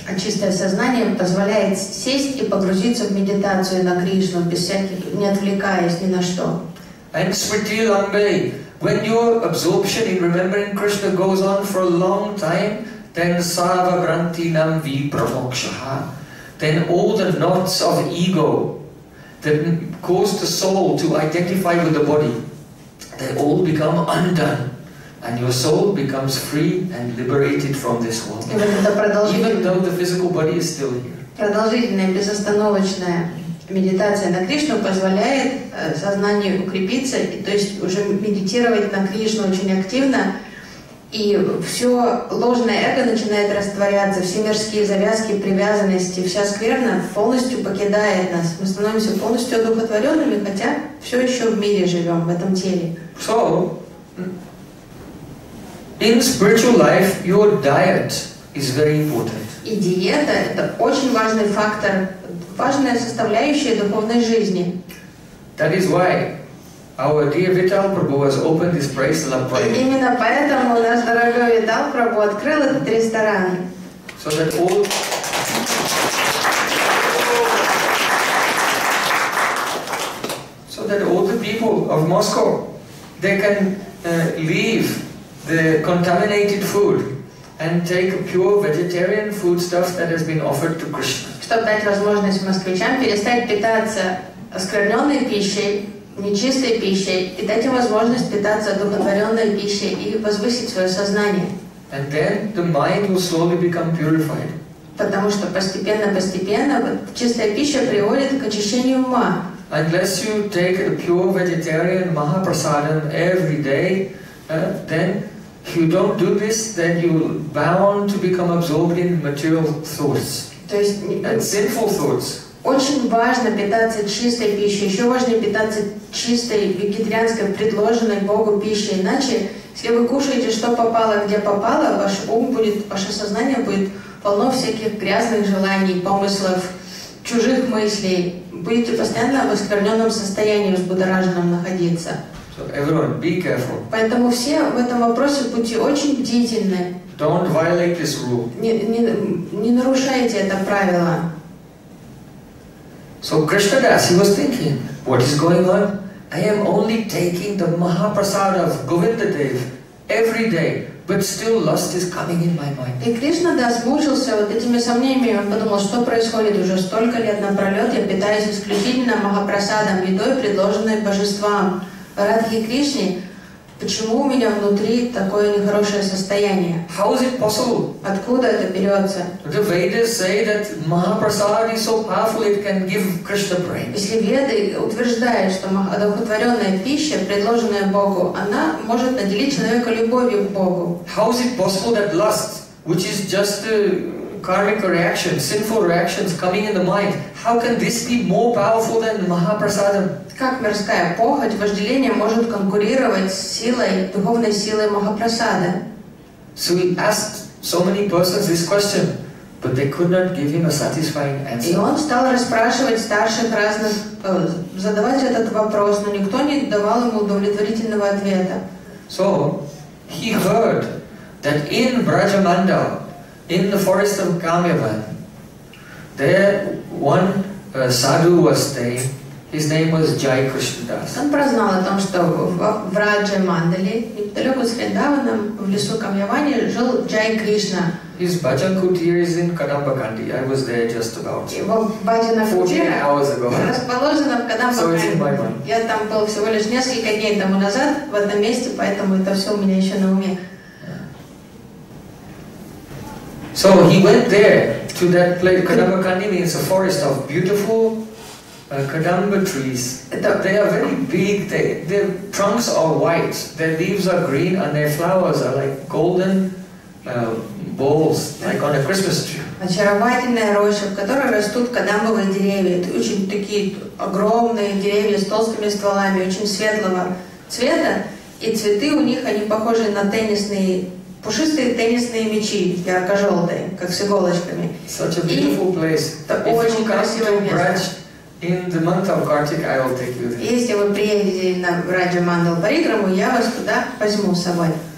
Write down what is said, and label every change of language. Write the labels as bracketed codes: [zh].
[ru] А чистое сознание позволяет сесть и погрузиться в медитацию на Кришну без всяких, не отвлекаясь ни на что. [en] And [sa] smriti lambei. [en] When your absorption in remembering Krishna goes on for a long time, then [sa] sarva grantinam vi pramokshaha. [en] Then all the knots of ego that cause the soul to identify with the body, they all become undone, and your soul becomes free and liberated from this world. Even though the physical body is still here. [ru] Продолжительная безостановочная медитация на Кришну позволяет сознанию укрепиться, то есть уже медитировать на Кришну очень активно. И все ложное эго начинает растворяться, все мирские завязки, привязанности, вся скверна полностью покидает нас. Мы становимся полностью одухотворенными, хотя все еще в мире живем, в этом теле. [en] So, in spiritual life, your diet is very important. [ru] И диета – это очень важный фактор, важная составляющая духовной жизни. [en] That is why. Our dear Vital Prabhu has opened his place in the prayer. [ru] Именно поэтому наш дорогой Витал Прабху открыл этот ресторан. [en] So that all... So that all the people of Moscow, they can leave the contaminated food and take pure vegetarian foodstuff that has been offered to Krishna. [ru] Чтобы дать возможность москвичам перестать питаться оскверненной пищей, нечистой пищей и дать им возможность питаться одухотворенной пищей и возвысить свое сознание. [en] And then the mind will slowly become purified. [ru] Потому что постепенно-постепенно чистая пища приводит к очищению ума. [en] Unless you take a pure vegetarian Mahaprasadam every day, then if you don't do this, then you're bound to become absorbed in material thoughts. [ru] То есть, [en] and sinful thoughts. [ru] Очень важно питаться чистой пищей, еще важнее питаться чистой, вегетарианской, предложенной Богу пищей. Иначе, если вы кушаете, что попало, где попало, ваш ум будет, ваше сознание будет полно всяких грязных желаний, помыслов, чужих мыслей. Будете постоянно в оскверненном состоянии, взбудораженном находиться. [en] So everyone, be careful. [ru] Поэтому все в этом вопросе будьте очень бдительны. [en] Don't violate this rule. [ru] Не нарушайте это правило. [en] So Krishna Das, he was thinking, what is going on? I am only taking the Mahaprasad of Govindadev every day, but still lust is coming in my mind. [ru] И Кришна Дас мучился вот этими сомнениями. Он подумал, что происходит уже столько лет напролет. Я питаюсь исключительно Махапрасадом, едой, предложенной божествам, Радхи Кришне. Почему у меня внутри такое нехорошее состояние? [en] How is it possible? [ru] Откуда это берется? [en] The Vedas say that Mahaprasad is so powerful it can give Krishna brain. [ru] Если Веды утверждают, что одухотворенная пища, предложенная Богу, она может наделить человека любовью к Богу. [en] How is it possible that lust, which is just karmic reaction, sinful reactions coming in the mind, how can this be more powerful than Mahaprasadam? [ru] Как мирская похоть, вожделение может конкурировать с силой, духовной силой Махапрасады? [en] So we asked so many persons this question, but they could not give him a satisfying answer. И он стал расспрашивать старших разных, задавать этот вопрос, но никто не давал ему удовлетворительного ответа. So he heard that in Brajamandal, in the forest of Kamyavan, there one sadhu was staying. His name was Jai Krishnadas. [ru] Он прознал о том, что в Раджамандале, недалеко с Вриндаваном, в лесу Камьяване, жил Джай Кришна. [en] His bhajan kutir is in Kadambakandi. I was there just about 48 hours ago. [ru] Расположено в Кадамбакандии. [en] So it's in my mind. [ru] Я там был всего лишь несколько дней тому назад в одном месте, поэтому это все у меня еще на уме. [en] So he went there to that place. Kadambakandi means a forest of beautiful Kadamba trees. They are very big. Their trunks are white, their leaves are green, and their flowers are like golden balls, like on a Christmas tree. [ru] Очаровательная роща, в которой растут кадамбовые деревья. Это очень такие огромные деревья с толстыми стволами, очень светлого цвета. И цветы у них, они похожи на теннисные, пушистые теннисные мячи, ярко-желтые, как с иголочками. [en] Such a beautiful place. [ru] Это очень красивое место. [en] In the month of Kartik, I will take you there. [ru] Если вы приедете на Раджамандал Парикраму, я вас туда возьму с собой.